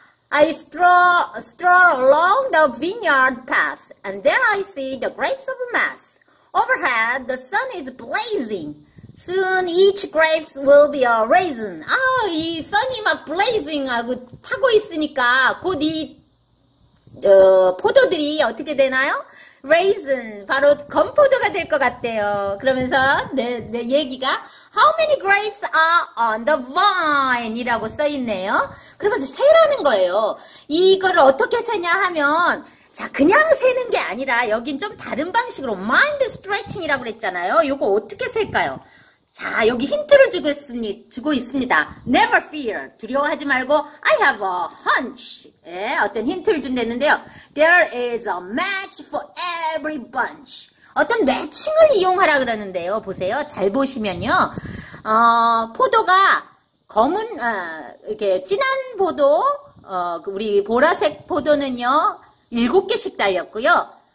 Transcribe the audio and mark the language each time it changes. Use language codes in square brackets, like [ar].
[en] I stroll along the vineyard path, and there I see the grapes of Math. Overhead, the sun is blazing. Soon each grapes will be a raisin. [ko] 이 sun이 막 blazing 하고 타고 있으니까 곧 이 포도들이 어떻게 되나요? Raisin, 바로 건포도가 될 것 같대요. 그러면서 내 얘기가 [en] How many grapes are on the vine? [ko] 이라고 써있네요. 그러면서 세라는 거예요. 이걸 어떻게 세냐 하면 자 그냥 세는 게 아니라 여긴 좀 다른 방식으로 Mind Stretching 이라고 그랬잖아요. 이거 어떻게 셀까요? 자 여기 힌트를 주고 있습니다. [en] Never fear, [ko] 두려워하지 말고 [en] I have a hunch. [ko] 예, 어떤 힌트를 준댔는데요. [en] There is a match for every bunch. [ko] 어떤 매칭을 이용하라 그러는데요. 보세요. 잘 보시면요. 포도가 검은 이렇게 진한 포도, 우리 보라색 포도는요 7개씩 달렸고요.